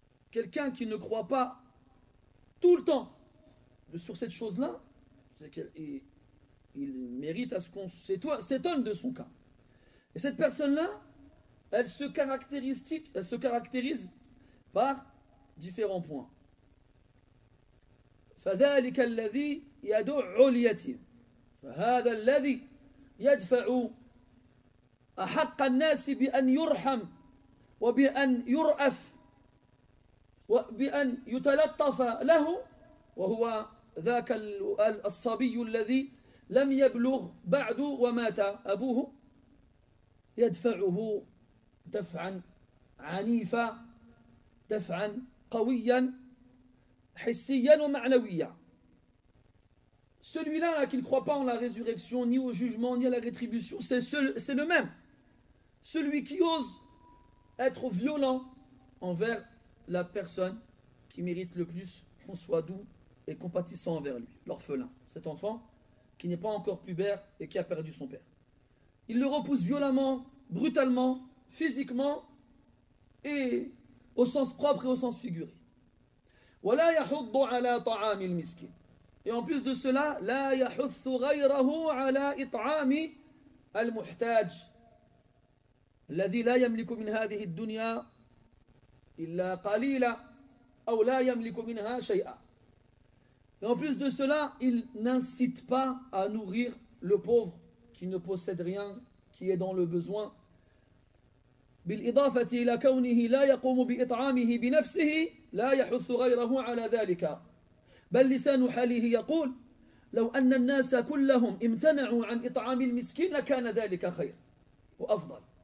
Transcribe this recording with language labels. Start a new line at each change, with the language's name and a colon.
French: Quelqu'un qui ne croit pas tout le temps sur cette chose-là, c'est qu'il mérite à ce qu'on s'étonne de son cas. Et cette personne-là, elle se caractérise par différents points.
Arabic: فذلك الذي يدع اليتيم فهذا الذي يدفع احق الناس بان يرحم وبان يرأف وبان يتلطف له وهو ذاك الصبي الذي لم يبلغ بعد ومات ابوه يدفعه دفعا عنيفا دفعا قويا حسياً ومعنوياً.
French: Celui-là là, qui ne croit pas en la résurrection, ni au jugement, ni à la rétribution, c'est le même. Celui qui ose être violent envers la personne qui mérite le plus qu'on soit doux et compatissant envers lui, l'orphelin, cet enfant qui n'est pas encore pubère et qui a perdu son père. Il le repousse violemment, brutalement, physiquement et au sens propre et au sens figuré.
Arabic: ولا يحض على طعام المسكين.
French: Et en plus de cela,
Arabic: لا يحث غيره على إطعام المحتاج الذي لا يملك من هذه الدنيا إلا قليلا أو لا يملك منها شيئا.
French: Et en plus de cela, il n'incite pas à nourrir le pauvre qui ne possède rien, qui est dans le besoin.
Arabic: بالإضافة إلى كونه لا يقوم بإطعامه بنفسه لا يحث غيره على ذلك بل لسان حاله يقول لو أن الناس كلهم امتنعوا عن إطعام المسكين لكان ذلك خير وأفضل.